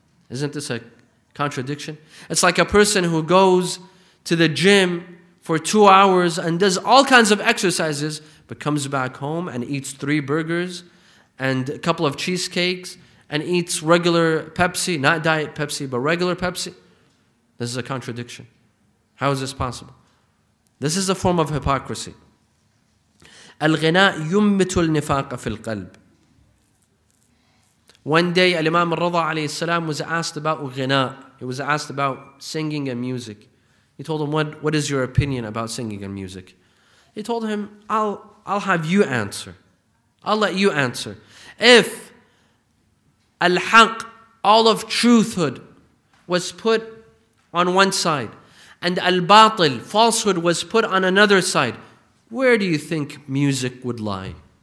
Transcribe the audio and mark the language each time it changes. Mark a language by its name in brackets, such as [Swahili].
[English] Isn't this a contradiction? It's like a person who goes to the gym for 2 hours and does all kinds of exercises but comes back home and eats 3 burgers and a couple of cheesecakes and eats regular Pepsi, not diet Pepsi, but regular Pepsi. This is a contradiction. How is this possible? This is a form of hypocrisy. [Arabic] الغناء يمت النفاق في القلب. [English] One day, Imam al-Ridha alayhi salam was asked about ghina. He was asked about singing and music. He told him, what is your opinion about singing and music? He told him, I'll have you answer. I'll let you answer. If al-haq, all of truthhood, was put on one side, and al-batil, falsehood, was put on another side, where do you think music would lie?